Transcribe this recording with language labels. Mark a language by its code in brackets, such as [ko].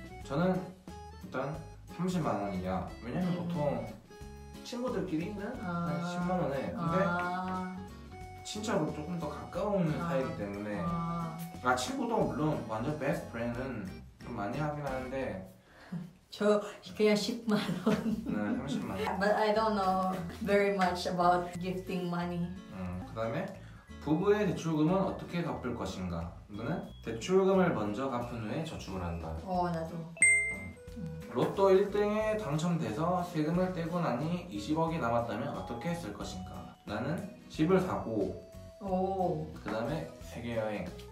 [ko] 저는 일단 30만 원 이하. 왜냐면 보통 친구들끼리 있는 10만 원에. 근데 친척은 조금 더 가까운 사이이기 때문에. 아, 친구도 물론 완전 베스트 프렌드는 좀 많이 하긴 하는데. 저 그냥 10만 원. 네, 30만 원. [en] But I don't know very much about gifting money. [ko] 그 다음에 부부의 대출금은 어떻게 갚을 것인가? 너는 대출금을 먼저 갚은 후에 저축을 한다. 나도. 로또 1등에 당첨돼서 세금을 떼고 나니 20억이 남았다면 어떻게 했을 것인가? 나는 집을 사고. 그 다음에 세계여행.